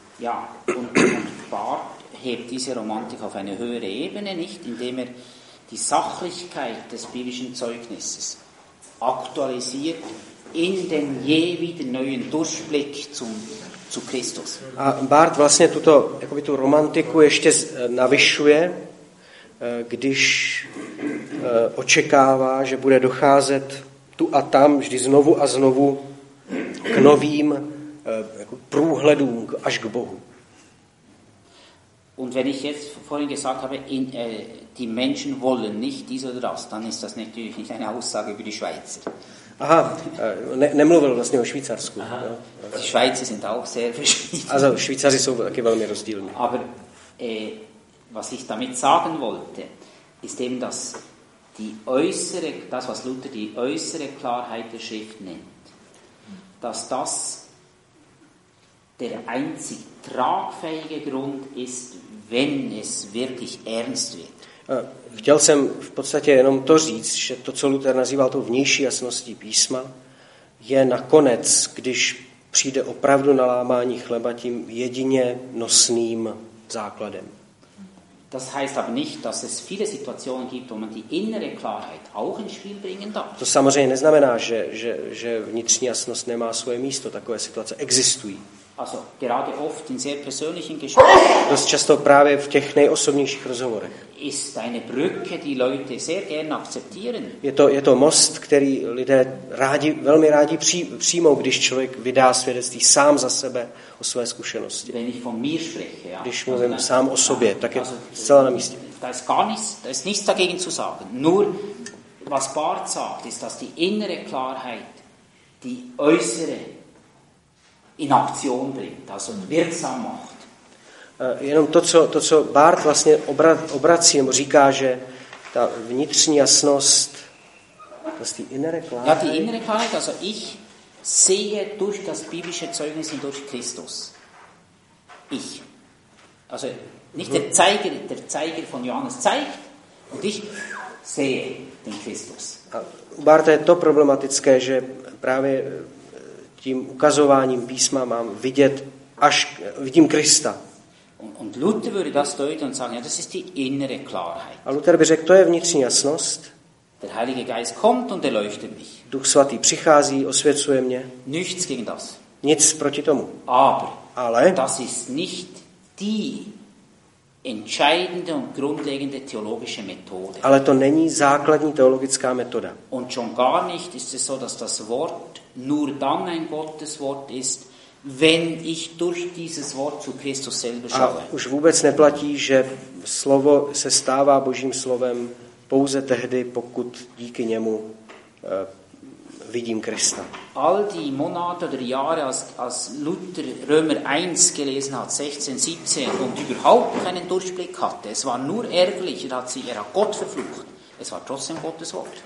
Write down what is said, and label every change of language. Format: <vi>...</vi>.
<de>Ja, und Barth hebt diese Romantik auf eine höhere Ebene, nicht? Indem er die Sachlichkeit des biblischen Zeugnisses aktualisiert in den je wieder neuen Durchblick zu Christus.</de> <cs>A Barth vlastně tuto jakoby tu romantiku ještě navyšuje když očekává, že bude docházet tu a tam vždy znovu a znovu k novým průhledům až k Bohu.</cs> <de>Und wenn ich jetzt vorhin gesagt habe, die Menschen wollen nicht dies oder das, dann ist das natürlich nicht eine Aussage über die Schweizer.</de> <cs>Aha, nemluvil vlastně o Švýcarsku. Aha.</cs> <de>Die Schweizer sind auch sehr verschieden.</de> <cs>Also, Švýcaři jsou taky velmi rozdílní.</cs> <de>Aber was ich damit sagen wollte, ist eben, dass die äußere, das was Luther die äußere Klarheit der Schrift nennt, dass das der einzig tragfähige Grund ist, wenn es wirklich ernst wird.</de> <cs>Chtěl jsem v podstatě jenom to říct, že to, co Luther nazýval tou vnější jasností písma, je nakonec, když přijde opravdu nalámání chleba, tím jedině nosným základem.</cs> <de>Das heißt aber nicht, dass es viele Situationen gibt, wo man die innere Klarheit auch ins Spiel bringen darf.</de> <cs>To samozřejmě neznamená, že vnitřní jasnost nemá svoje místo, takové situace existují.</cs> <de>Also gerade oft in sehr persönlichen Gesprächen.</de> <cs>Dost často právě v těch nejosobnějších rozhovorech.</cs> <de>Ist eine Brücke, die Leute sehr gerne akzeptieren.</de> <cs>Je to most, který lidé rádi, velmi rádi přijmou, když člověk vydá svědectví sám za sebe o své zkušenosti.</cs> <de>Wenn ich von mir spreche, ja.</de> <cs>Když mluvím sám o sobě, tak je zcela na místě.</cs> <de>Da ist nichts dagegen zu sagen. Nur was Barth sagt, ist, dass die innere Klarheit die äußere in Aktion bringt, also wirksam macht.</de> <cs>Jenom to, co Barth vlastně obrací, nebo říká, že ta vnitřní jasnost, vlastně</cs> <de>innere Klarheit. Ja, die innere Klarheit, also ich sehe durch das biblische Zeugnis und durch Christus. Ich. Also nicht der Zeiger von Johannes zeigt, und ich sehe den Christus.</de> <cs>A u Bartha je to problematické, že právě tím ukazováním písma mám vidět, až vidím Krista.</cs> <de>Und Luther würde das deuten und sagen, ja, das ist die innere Klarheit.</de> <cs>A Luther by řekl, to je vnitřní jasnost.</cs> <de>Der Heilige Geist kommt und erleuchtet mich.</de> <cs>Duch svatý přichází, osvěcuje mě.</cs> <de>Nichts gegen das.</de> <cs>Nic proti tomu.</cs> <de>Ale das ist nicht die entscheidende und grundlegende theologische Methode.</de> <cs>Ale to není základní teologická metoda.</cs> <de>Und schon gar nicht ist es so, dass das Wort nur dann ein Gotteswort ist, wenn ich durch dieses Wort zu Christus selber schaue.</de> <cs>A už vůbec neplatí, že slovo se stává Božím slovem pouze tehdy, pokud díky němu vidím Krista.</cs> <de>All die Monate oder Jahre, als Luther Römer 1 gelesen hat, 16, 17, und überhaupt keinen Durchblick hatte, es war nur ärgerlich, er hat Gott verflucht. Es war trotzdem Gottes Wort.</de>